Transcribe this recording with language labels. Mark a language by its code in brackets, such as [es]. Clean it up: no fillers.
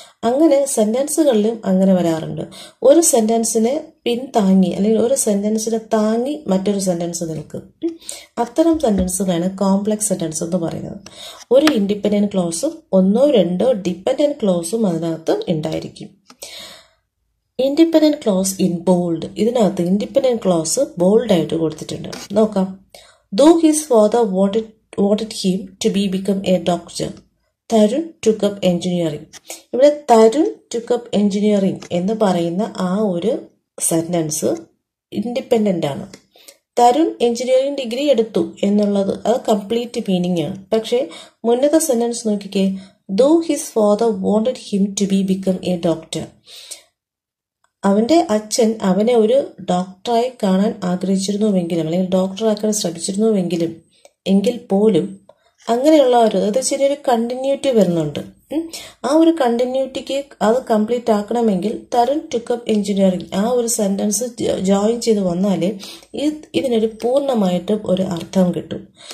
[ml] അങ്ങനെ സെന്റൻസുകളിലും അങ്ങനെ വരാറുണ്ട്. ഒരു സെന്റൻസിനെ പിൻതാങ്ങി അല്ലെങ്കിൽ ഒരു സെന്റൻസിനെ താങ്ങി മറ്റൊരു സെന്റൻസ് നിൽക്കും. അത്തരം സെന്റൻസുകളാണ് കോംപ്ലക്സ് സെന്റൻസ് എന്ന് പറയുന്നത്. ഒരു ഇൻഡിപെൻഡന്റ് ക്ലോസും ഒന്നോ രണ്ടോ ഡിപ്പെൻഡന്റ് ക്ലോസും അതിനകത്ത് ഉണ്ടായിരിക്കും. ഇൻഡിപെൻഡന്റ് ക്ലോസ് ഇൻ ബോൾഡ്, ഇതിനകത്ത് ഇൻഡിപെൻഡന്റ് ക്ലോസ് ബോൾഡ് ആയിട്ട് കൊടുത്തിട്ടുണ്ട്. നോക്കാം. [en] Though his father wanted him to become a doctor, Tarun took up engineering. [ml] ഇവിടെ [en] Tarun took up engineering [ml] എന്ന് പറയുന്ന ആ ഒരു സെന്റൻസ് ഇൻഡിപെൻഡന്റ് ആണ്. തരുൺ എഞ്ചിനീയറിംഗ് ഡിഗ്രി എടുത്തു എന്നുള്ളത് അത് കംപ്ലീറ്റ് മീനിങ് ആണ്. പക്ഷേ മുന്നത്ത സെന്റൻസ് നോക്കിക്കേ, [en] Though his father wanted him to be become a doctor. [ml] അവൻ്റെ അച്ഛൻ അവനെ ഒരു ഡോക്ടറായി കാണാൻ ആഗ്രഹിച്ചിരുന്നുവെങ്കിലും അല്ലെങ്കിൽ ഡോക്ടറാക്കാൻ ശ്രമിച്ചിരുന്നുവെങ്കിലും എങ്കിൽ പോലും അങ്ങനെയുള്ള ഒരു അത് ചെറിയൊരു കണ്ടിന്യൂറ്റി വരുന്നുണ്ട്. ആ ഒരു കണ്ടിന്യൂറ്റിക്ക് അത് complete ആക്കണമെങ്കിൽ [en] Tarun took up engineering [ml] ആ ഒരു സെന്റൻസ് ജോയിൻ ചെയ്ത് വന്നാലേ ഇതിനൊരു പൂർണ്ണമായിട്ടും ഒരു അർത്ഥം കിട്ടും.